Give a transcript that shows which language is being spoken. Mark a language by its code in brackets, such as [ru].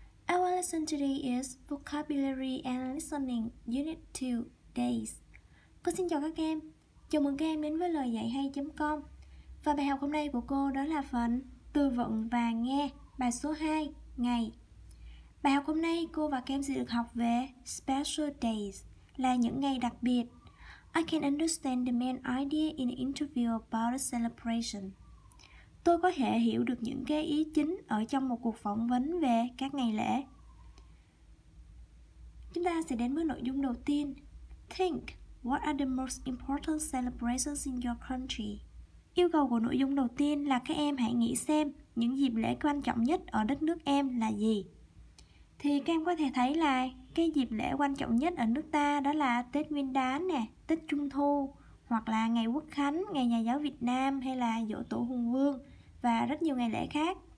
[en] Our lesson today is Vocabulary and Listening Unit 2 Days. [vi] Cô xin chào các em, chào mừng các em đến với layahay.com. Và bài học hôm nay của cô đó là phần Từ vựng và nghe, bài số 2, ngày. Bài học hôm nay cô và các em sẽ được học về Special Days, là những ngày đặc biệt. [en] I can understand the main idea in the interview about a celebration. [vi] Tôi có thể hiểu được những cái ý chính ở trong một cuộc phỏng vấn về các ngày lễ. Chúng ta sẽ đến với nội dung đầu tiên. [en] Think, what are the most important celebrations in your country? [vi] Yêu cầu của nội dung đầu tiên là các em hãy nghĩ xem những dịp lễ quan trọng nhất ở đất nước em là gì. Thì các em có thể thấy là cái dịp lễ quan trọng nhất ở nước ta đó là Tết Nguyên Đán nè, Tết Trung Thu, hoặc là ngày Quốc Khánh, ngày Nhà giáo Việt Nam, hay là Giỗ Tổ Hùng Vương và rất nhiều ngày lễ khác.